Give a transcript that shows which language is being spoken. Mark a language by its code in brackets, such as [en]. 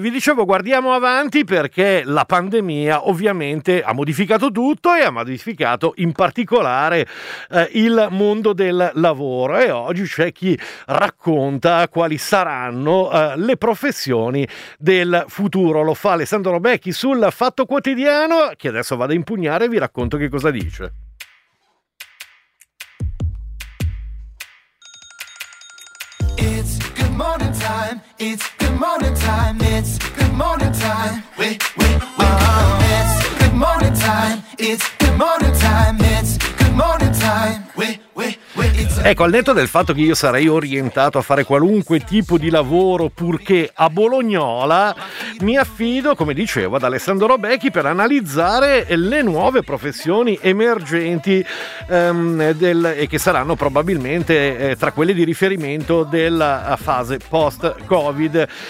[it] Vi dicevo, guardiamo avanti perché la pandemia ovviamente ha modificato tutto e ha modificato in particolare il mondo del lavoro, e oggi c'è chi racconta quali saranno le professioni del futuro. Lo fa Alessandro Becchi sul Fatto Quotidiano, che adesso vado a impugnare e vi racconto che cosa dice. [en] It's good morning time, it's good morning time, it's good morning time, wake up. It's good morning time, [it] it's good morning time, it's good morning time, Ecco, al netto del fatto che io sarei orientato a fare qualunque tipo di lavoro purché a Bolognola, mi affido, come dicevo, ad Alessandro Becchi per analizzare le nuove professioni emergenti e che saranno probabilmente tra quelle di riferimento della fase post-Covid.